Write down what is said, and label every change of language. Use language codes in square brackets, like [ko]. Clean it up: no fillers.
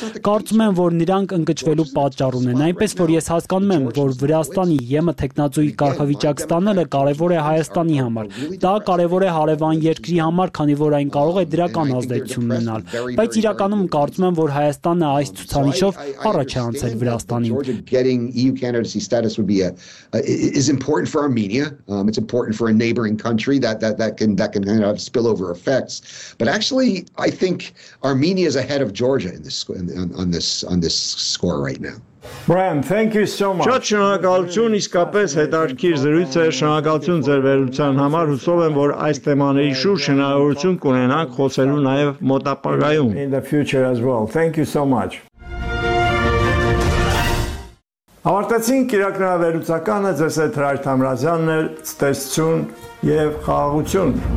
[hy] Կարծում եմ, որ նրանք ընկճվելու պատճառ ունեն, այնպես որ ես հասկանում եմ, որ Վրաստանի ԵՄ-ի տեխնազույի կարգավիճակ ստանալը կարևոր է Հայաստանի համար, դա կարևոր է հարևան երկրի համար, քանի որ այն կարող է դրական ազդեցություն ունենալ, բայց իրականում կարծում եմ, որ Հայաստանը այս ցուցանիշով առաջ է անցել Վրաստանին։ [en] Getting EU candidacy status would be is important for Armenia. It's important for a neighboring country that can kind of spill over effects. But actually, I think Armenia is ahead of Georgia on this score right now. Brian, thank you so much. [hy] Շատ շնորհակալություն, իսկապես հետաքրքիր զրույց է, շնորհակալություն ձեր վերլուծության համար, հուսով եմ, որ այս թեմաների շուրջ հնարավորություն կունենանք խոսելու նաև մոտապարայում. [en] In the future as well. Thank you so much. [hy] Ավարտեցին կիրակնավերուցականը, ձեզ հետ Հրայր Թամրազյանն էր, ցտեսություն եւ խաղաղություն։